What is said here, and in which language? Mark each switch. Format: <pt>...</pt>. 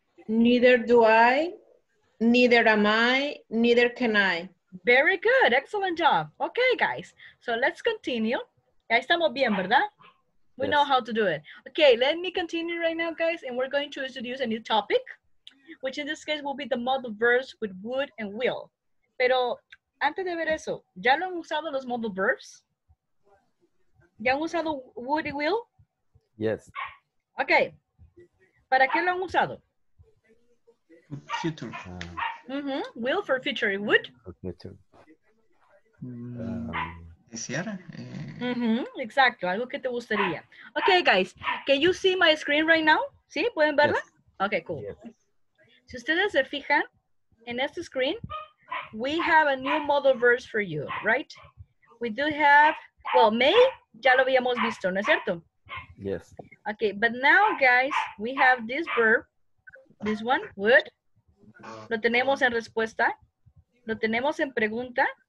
<en>Neither do I, neither am I, neither can I. Very good. Excellent job. Okay, guys. So let's continue.</en> <es>Ya estamos bien, ¿verdad?</es> <en>We know how to do it. Okay, let me continue right now, guys, and we're going to introduce a new topic, which in this case will be the modal verbs with would and will.</en> <es>Pero antes de ver eso, ¿ya lo han usado los modal verbs? ¿Ya han usado would y will?</es> <en>Yes. Okay.</en> <es>¿Para qué lo han usado?</es> <en>Future. Mm-hmm. Will for future. Would? Future.</en> <es>Mm-hmm, exacto, algo que te gustaría.</es> <en>Okay, guys, can you see my screen right now?</en> <es>¿Sí? ¿Pueden verla?</es> <en>Yes. Okay, cool. Yes.</en> <es>Si ustedes se fijan en este screen,</es> <en>we have a new modal verb for you, right? We do have, well,</en> <es>may, ya lo habíamos visto, ¿no es cierto?</es> <en>Yes. Okay, but now, guys, we have this verb, this one, would.</en> <es>Lo tenemos en respuesta, lo tenemos en pregunta.</es>